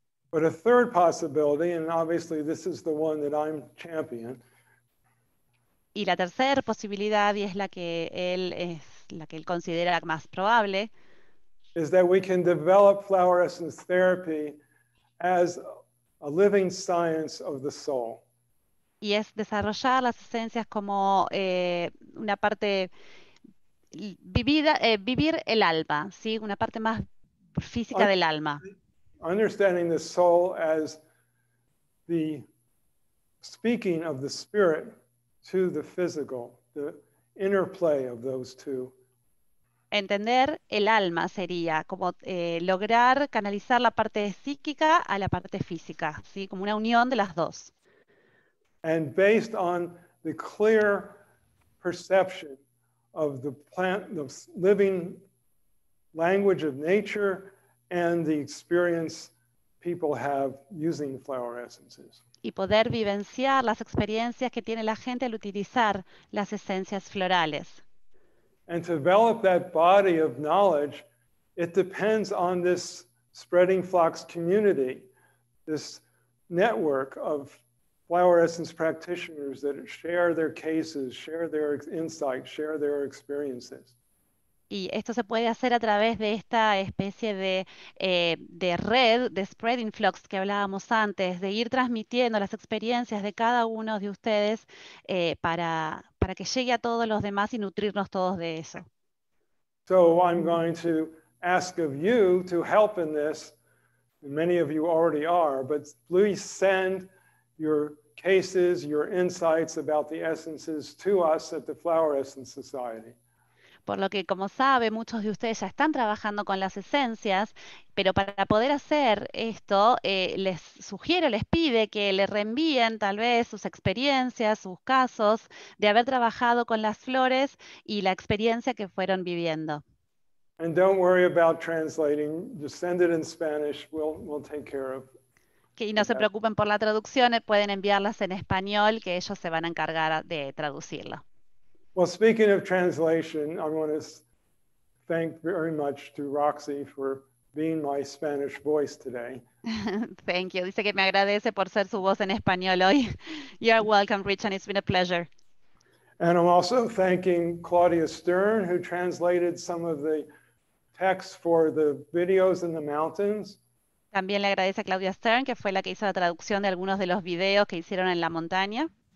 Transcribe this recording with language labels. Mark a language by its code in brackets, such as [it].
[en] But a third possibility, and obviously this is the one that I'm champion. [es] Y la tercera posibilidad, y es la que él es la que él considera más probable, [en] is that we can develop flower essence therapy as a living science of the soul. [es] Y es desarrollar las esencias como una parte vivida, vivir el alma, ¿sí? Una parte más física del alma. [en] Understanding the soul as the speaking of the spirit to the physical, the interplay of those two. [es] Entender el alma sería como lograr canalizar la parte psíquica a la parte física, ¿sí? Como una unión de las dos. [en] And based on the clear perception of the plant, the living language of nature and the experience people have using flower essences. [es] Y poder vivenciar las experiencias que tiene la gente al utilizar las esencias florales. [en] And to develop that body of knowledge, it depends on this spreading flocks community, this network of flower essence practitioners that share their cases, share their insights, share their experiences. [es] Y esto se puede hacer a través de esta especie de red, de spreading flocks que hablábamos antes, de ir transmitiendo las experiencias de cada uno de ustedes para que llegue a todos los demás y nutrirnos todos de eso. [en] So I'm going to ask of you to help in this, and many of you already are, but please send your cases, your insights about the essences to us at the Flower Essence Society. [es] Por lo que, como sabe, muchos de ustedes ya están trabajando con las esencias, pero para poder hacer esto, les sugiero, les pide que le reenvíen tal vez sus experiencias, sus casos de haber trabajado con las flores y la experiencia que fueron viviendo. [en] And don't worry about translating, just send it in Spanish, we'll take care of it. [es] Y no se preocupen por la traducción, pueden enviarlas en español, que ellos se van a encargar de traducirlo. [en] Well, speaking of translation, I want to thank very much to Roxy for being my Spanish voice today. Thank you. [es] Dice que me agradece por ser su voz en español hoy. [en] You're welcome, Rich, and it's been a pleasure. And I'm also thanking Claudia Stern, who translated some of the texts for the videos in the mountains. [es] También le agradece a Claudia Stern, que fue la que hizo la traducción de algunos de los videos que hicieron en la montaña.